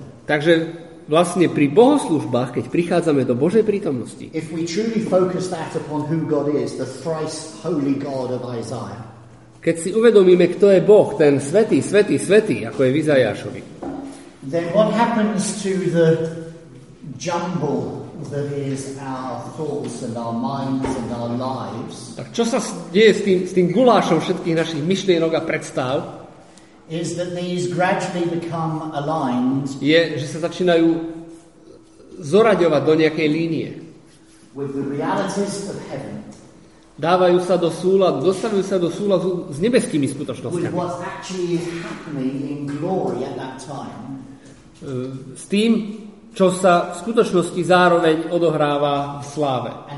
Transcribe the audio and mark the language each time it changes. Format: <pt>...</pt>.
<sk>Takže vlastne pri bohoslužbách, keď prichádzame do Božej prítomnosti, keď si uvedomíme, kto je Boh, ten svätý, svätý, svätý, ako je v Izajášovi,</sk> <en>then what happens to the jumble that is our thoughts and our minds and our lives?</en> <sk>Tak čo sa deje s tým gulášom všetkých našich myšlienok a predstav?</sk> <en>Is that these gradually become aligned?</en> <sk>Je, že sa začínajú zoraďovať do nejakej línie.</sk> <en>With the realities of heaven.</en> <sk>Dávajú sa do súladu, dostavujú sa do súladu s nebeskými skutočnosťami.</sk> <en>With what actually is happening in glory at that time.</en> <sk>S tým, čo sa v skutočnosti zároveň odohráva v sláve.</sk>